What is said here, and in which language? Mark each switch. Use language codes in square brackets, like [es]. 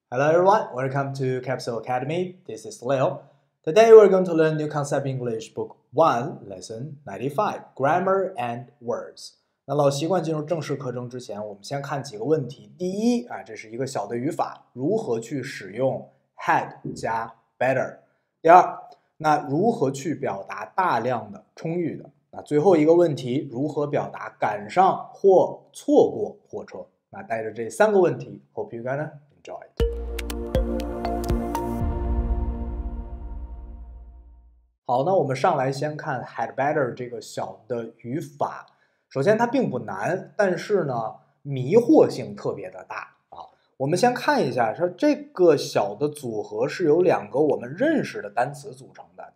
[en] Hello everyone, welcome to Capsule Academy. This is Leo. Today we're going to learn new concept English book 1, lesson 95, grammar and words. [zh] 那老习惯进入正式课程之前，我们先看几个问题。第一，这是一个小的语法，如何去使用 had 加 better。第二，那如何去表达大量的、充裕的。那最后一个问题，如何表达赶上或错过火车。那带着这三个问题， [en] hope you gonna enjoy it。 [zh] 好，那我们上来先看 had better 这个小的语法。首先它并不难，但是呢迷惑性特别的大啊。我们先看一下，说这个小的组合是由两个我们认识的单词组成的。